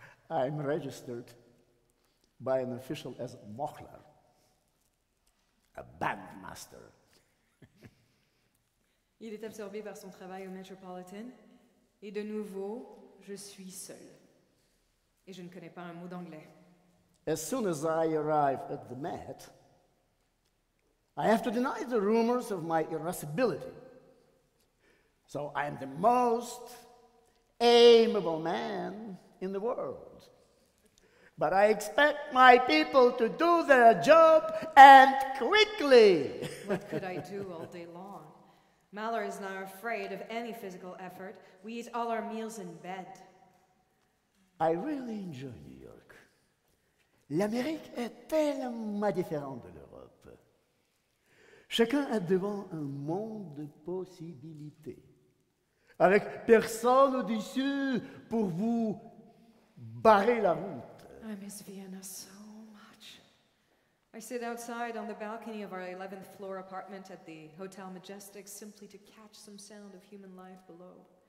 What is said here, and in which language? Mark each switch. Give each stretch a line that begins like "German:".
English: I'm registered by an official as Mochler, a bandmaster.
French: Il est absorbé par son travail au Metropolitan, et de nouveau, je suis seul, et je ne connais pas un mot d'anglais.
English: As soon as I arrive at the Met, I have to deny the rumors of my irascibility. So I am the most amiable man in the world. But I expect my people to do their job, and quickly. What could I do all day long? Mahler is not afraid of any physical effort. We eat all our meals in bed. I really enjoy New York.
French: L'Amérique est tellement différente de l'Europe. Chacun a devant un monde de possibilités. avec personne au-dessus pour vous barrer la route.
English: I miss Vienna so much. I sit outside on the balcony of our 11th floor apartment at the Hotel Majestic simply to catch some sound of human life below.